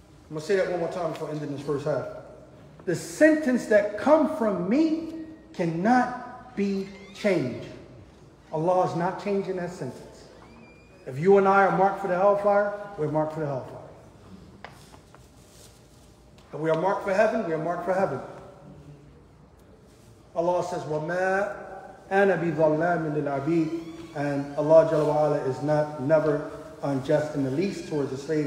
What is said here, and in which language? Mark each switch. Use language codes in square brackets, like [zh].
[en] I'm going to say that one more time before ending this first half. The sentence that comes from me cannot be changed. Allah is not changing that sentence. If you and I are marked for the hellfire, we're marked for the hellfire. If we are marked for heaven, we are marked for heaven. Allah says, [ar] وَمَا أَنَا بِظَلَّامٍ لِلْعَبِيدِ. [en] And Allah Jalla Wa'ala is not never unjust in the least towards the slave.